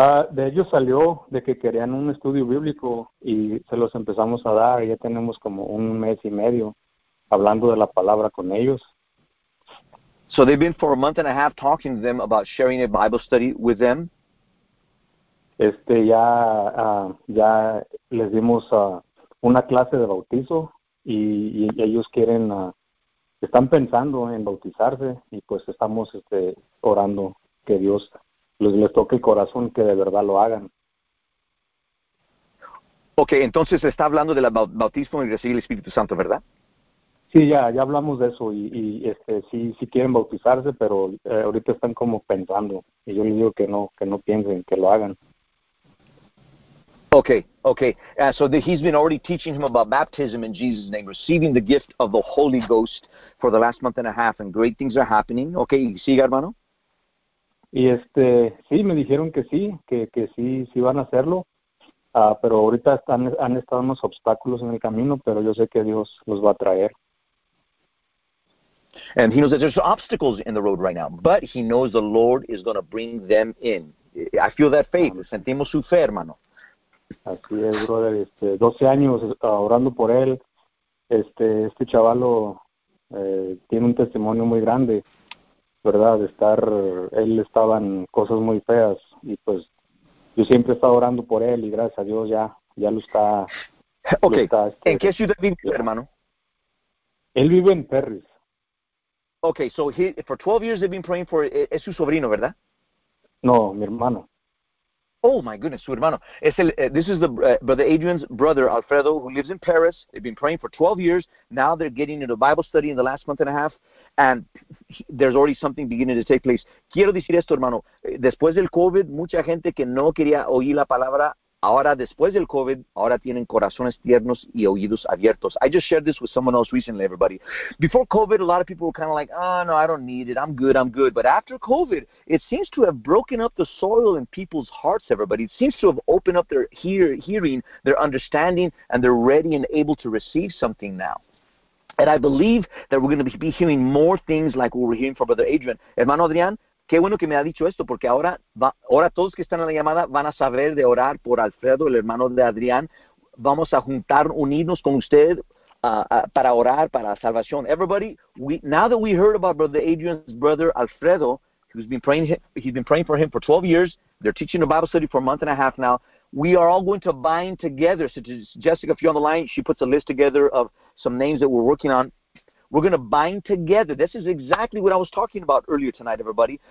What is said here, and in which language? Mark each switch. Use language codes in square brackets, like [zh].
[es] de ellos salió de que querían un estudio bíblico y se los empezamos a dar. Ya tenemos como un mes y medio hablando de la palabra con ellos. [en] So they've been for a month and a half talking to them about sharing a Bible study with them. [es] Ya les dimos una clase de bautizo y ellos quieren, están pensando en bautizarse y pues estamos orando que Dios les toque el corazón, que de verdad lo hagan. Ok, entonces está hablando del bautismo y recibir el Espíritu Santo, ¿verdad? Sí, ya hablamos de eso y sí quieren bautizarse, pero ahorita están como pensando. Y yo les digo que no piensen, que lo hagan. [en] So he's been already teaching him about baptism in Jesus' name, receiving the gift of the Holy Ghost for the last month and a half, and great things are happening. [es] Ok, siga, hermano. Y sí, me dijeron que sí, que sí, sí van a hacerlo, pero ahorita han estado unos obstáculos en el camino, pero yo sé que Dios los va a traer. [en] And he knows that there's obstacles in the road right now, but he knows the Lord is going to bring them in. I feel that faith. [es] Sentimos su fe, hermano. Así es, brother. 12 años orando por él. Este chavalo tiene un testimonio muy grande. Verdad, él estaba en cosas muy feas y pues yo siempre estaba orando por él y gracias a Dios ya lo está. Okay. ¿En qué ciudad vive, hermano? Él vive en Perris. [en] Okay, so for 12 years they've been praying for, [es] es su sobrino, ¿verdad? No, mi hermano. [en] Oh my goodness, [es] su hermano. [en] Brother Adrian's brother, Alfredo, who lives in Paris. They've been praying for 12 years. Now they're getting into Bible study in the last month and a half. And there's already something beginning to take place. [es] Quiero decir esto, hermano. Después del COVID, mucha gente que no quería oír la palabra, ahora después del COVID, ahora tienen corazones tiernos y oídos abiertos. [en] I just shared this with someone else recently, everybody. Before COVID, a lot of people were kind of like, oh, no, I don't need it. I'm good. But after COVID, it seems to have broken up the soil in people's hearts, everybody. It seems to have opened up their hearing, their understanding, and they're ready and able to receive something now. And I believe that we're going to be hearing more things like what we're hearing from Brother Adrian. [es] Hermano Adrián, qué bueno que me ha dicho esto, porque ahora todos que están en la llamada van a saber de orar por Alfredo, el hermano de Adrián. Vamos a unirnos con usted para orar para salvación. [en] Everybody, now that we heard about Brother Adrian's brother Alfredo, he's been praying for him for 12 years. They're teaching a Bible study for a month and a half now. we are all going to bind together. So Jessica, if you're on the line, she puts a list together of some names that we're working on. We're going to bind together. This is exactly what I was talking about earlier tonight, everybody.